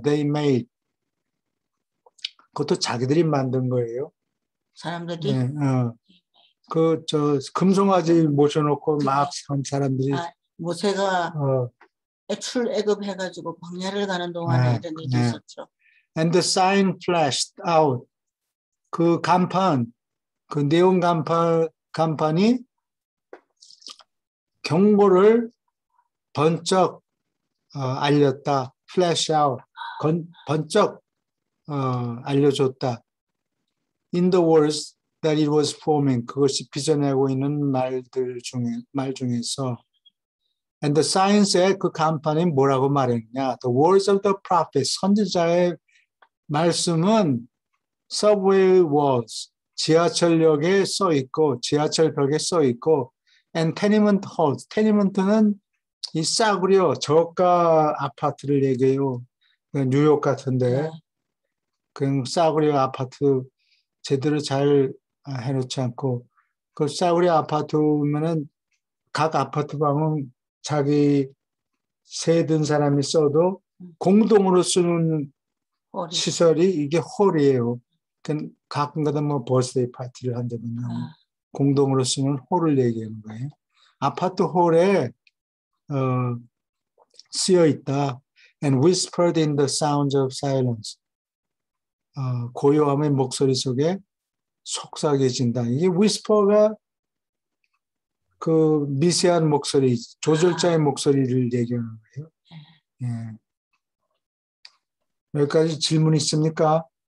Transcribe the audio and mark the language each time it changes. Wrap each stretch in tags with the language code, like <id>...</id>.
<en>They made</en> <ko>그것도 자기들이 만든 거예요. 사람들이 네, 그 저 금송아지 모셔놓고 막 한 사람들이 모세가 애굽해가지고 광야를 가는 동안에 이런 일이 있었죠.</ko> <en>And the sign flashed out.</en> <ko>그 간판, 그 네온 간판이 경고를 번쩍 알렸다.</ko> <en>Flash out.</en> <ko>번쩍 알려줬다.</ko> <en>In the words that it was forming.</en> <ko>그것이 빚어내고 있는 말 중에서.</ko> <en>And the sign said</en> <ko>그 간판이 뭐라고 말했냐.</ko> <en>The words of the prophet.</en> <ko>선지자의 말씀은</ko> <en>Subway walls,</en> <ko>지하철역에 써 있고, 지하철 벽에 써 있고,</ko> <en>and tenement halls,</en> <ko>tenement는 이 싸구려, 저가 아파트를 얘기해요. 뉴욕 같은데, 그냥 싸구려 아파트 제대로 잘 해놓지 않고, 그 싸구려 아파트면은 각 아파트 방은 자기 세든 사람이 써도 공동으로 쓰는 시설이 이게 홀이에요. 가끔가다 뭐 버스데이 파티를 한다든가 공동으로 쓰는 홀을 얘기하는 거예요. 아파트 홀에 쓰여 있다.</ko> <en>And whispered in the sounds of silence.</en> <ko>고요함의 목소리 속에 속삭여진다. 이게 whisper가 그 미세한 목소리, 조절자의 목소리를 얘기하는 거예요. 예. 여기까지 질문 있습니까?</ko>